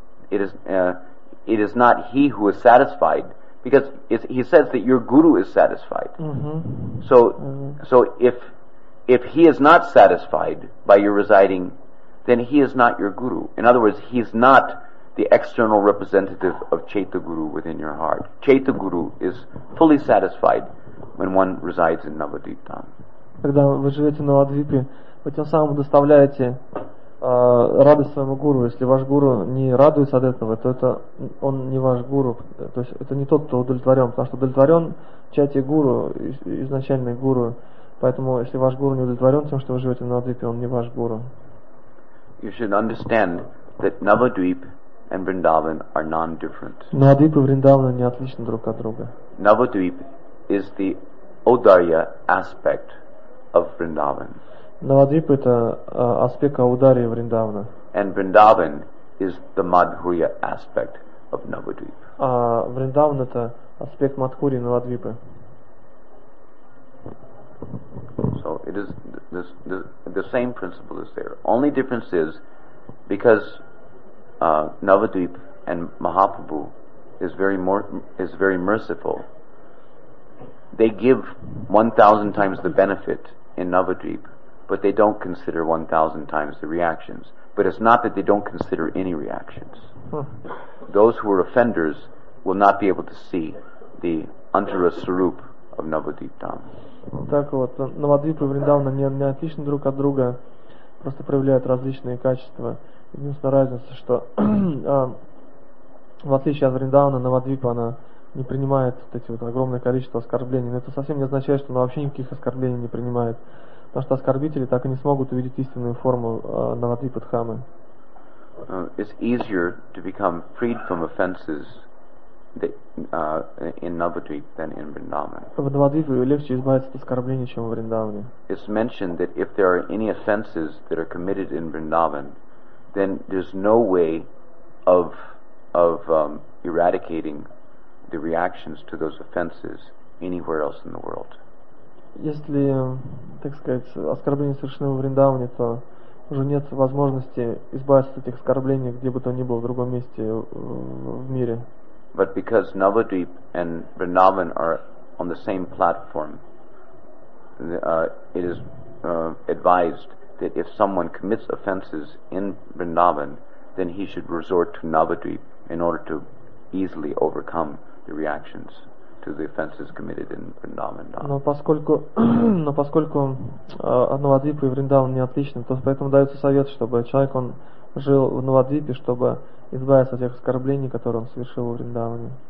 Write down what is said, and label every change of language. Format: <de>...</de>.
<en>It is not he who is satisfied. Because he says that your guru is satisfied. Mm-hmm. So if he is not satisfied by your residing, then he is not your guru. In other words, he is not the external representative of Chaita Guru within your heart. Chaita Guru is fully satisfied when one resides in Navadvip Dham.</en> <ru>Когда вы живете на Навадвипе, вы тем самым доставляете радость своему гуру. Если ваш гуру не радуется от этого, то это он не ваш гуру. То есть это не тот, кто удовлетворен, потому что удовлетворен чати гуру, изначальный гуру. Поэтому если ваш гуру не удовлетворен тем, что вы живете на Навадвипе, он не ваш гуру.</ru> <en>You should understand that Navadvip and Vrindavan are non-different.</en> <ru>Навадвип и Вриндаван не отличны друг от друга.</ru> <en>Navadvip is the Audarya aspect of Vrindavan.</en> <ru>Навадвип это аспект Аударии Вриндавана.</ru> <en>And Vrindavan is the Madhurya aspect of Navadvip.</en> <ru>А Вриндаван — это аспект Мадхури Навадвипы.</ru> <en>So it is the same principle is there. Only difference is because Navadvip and Mahaprabhu is very merciful. They give 1,000 times the benefit in Navadvip, but they don't consider 1,000 times the reactions. But it's not that they don't consider any reactions. Those who are offenders will not be able to see the antara sarup of Navadvip Dham.</en> <ru>Так вот, Навадвип и Вриндаван не отличны друг от друга, просто проявляют различные качества. Единственная разница, что в отличие от Вриндавана, Навадвипа, она не принимает вот эти вот огромное количество оскорблений. Но это совсем не означает, что она вообще никаких оскорблений не принимает. Потому что оскорбители так и не смогут увидеть истинную форму Навадвипа-дхамы.</ru> <en>It's easier to become freed from offenses in Navadvip than in Vrindavan.</en> <ru>В Навадвипе легче избавиться от оскорблений, чем в Вриндаване.</ru> <en>It's mentioned that if there are any offenses that are committed in Vrindavan, then there's no way of eradicating the reactions to those offenses anywhere else in the world.</en> <ru>Если, так сказать, оскорбление совершено в Вриндаване, то уже нет возможности избавиться от этих оскорблений где бы то ни было в другом месте в мире.</ru> <en>But because Navadvip and Vrindavan are on the same platform, it is advised that if someone commits offenses in Vrindavan, then he should resort to Navadvip in order to easily overcome the reactions to the offenses committed in Vrindavan.</en> <ru>Но поскольку Навадвип и Вриндаван не отличны, то поэтому дается совет, чтобы человек он жил в Навадвипе, чтобы избавиться от тех оскорблений, которые он совершил в Вриндаване.</ru>